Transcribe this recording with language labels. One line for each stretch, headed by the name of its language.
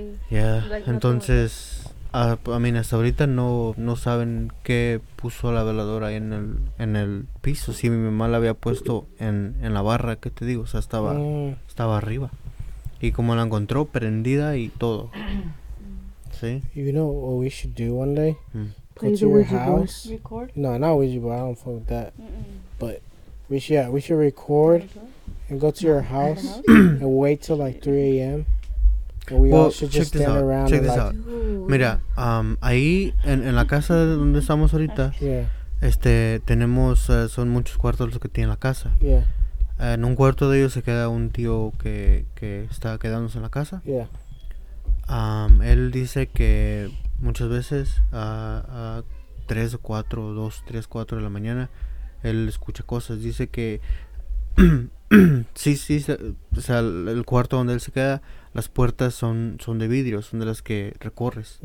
Spanish: Ya, entonces, hasta ahorita no saben qué puso la veladora ahí en el piso. Sí, mi mamá la había puesto en la barra, ¿qué te digo? O sea, estaba arriba. Y como la encontró, prendida y todo. ¿Sí?
English: You know what we should do one day? Mm. Play to the your house. Record? No, not Ouija board, I don't fuck with that. Mm-mm. But... We should record and go to your house and wait till like 3 a.m. And we all should just stand around. Check this out.
Spanish: Mira, ahí en la casa donde estamos ahorita,
English: yeah.
Spanish: Tenemos, son muchos cuartos los que tiene la casa.
English: Yeah.
Spanish: En un cuarto de ellos se queda un tío que está quedándose en la casa.
English: Yeah.
Spanish: Él dice que muchas veces a 3 o 4, 2, 3, 4 de la mañana, él escucha cosas, dice que sí, o sea, el cuarto donde él se queda, las puertas son de vidrio, son de las que recorres.